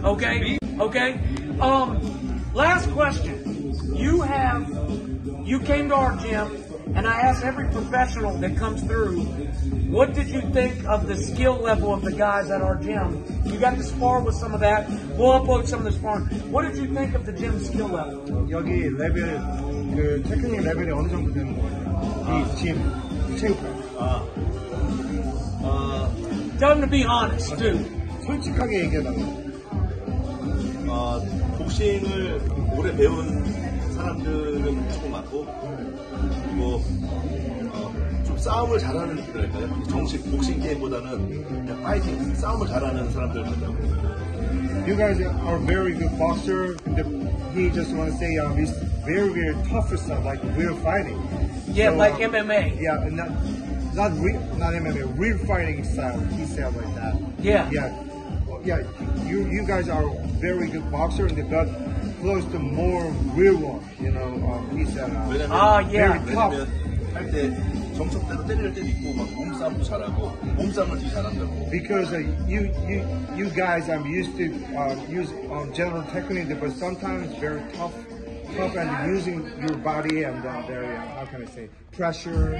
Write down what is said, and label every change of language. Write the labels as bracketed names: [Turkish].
[English] Okay? Okay? Last question. You came to our gym, and I asked every professional that comes through, what did you think of the skill level of the guys at our gym? You got to spar with some of that. We'll upload some of the sparring. What did you think of the gym's skill level? [Korean] 여기 레벨, 그 테크닉 레벨이 어느 정도 되는 거예요? 이 팀, 체육관. [English] Tell them to be honest, dude. [Korean] 솔직하게 얘기해달라. 복싱을 오래 배운 사람들은 조금 많고, 그리고 좀 싸움을 잘하는 그럴까요? 정식 복싱 게임보다는 그냥 파이팅 싸움을 잘하는 사람들입니다. [English] You guys are very good boxer. And he just want to say he's very very tough for stuff like real fighting. Yeah, so, like MMA. Yeah, and not MMA, real fighting style. He said like that. Yeah. Yeah. You guys are very good boxer and they've got close to more real one. You know, he said. Very tough. [Korean] 정석대로 때릴 때도 있고 막 몸싸움도 잘하고 몸싸움을 되게 잘한다고. [English] Because you guys, I'm used to use general technique, but sometimes it's very tough and using your body and very how can I say pressure.